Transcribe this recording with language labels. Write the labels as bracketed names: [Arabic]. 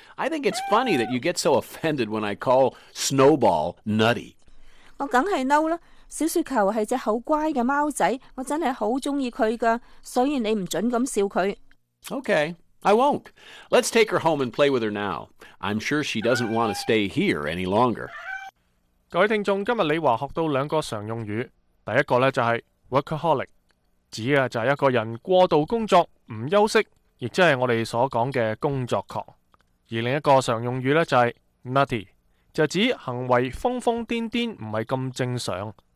[English] I think it's funny that you get so offended when I call Snowball nutty. [Cantonese] 我梗系嬲啦，小雪球系只好乖嘅猫仔，我真系好中意佢噶，所以你唔准咁笑佢。 [English] Okay, I won't. Let's take her home and play with her now. I'm sure she doesn't want to stay here any longer. [Cantonese] 各位听众，今日李华学到两个常用语，第一个咧就系 workaholic， 指啊就系一个人过度工作唔休息，亦即系我哋所讲嘅工作狂；而另一个常用语咧就系 nutty， 就指行为疯疯癫癫，唔系咁正常。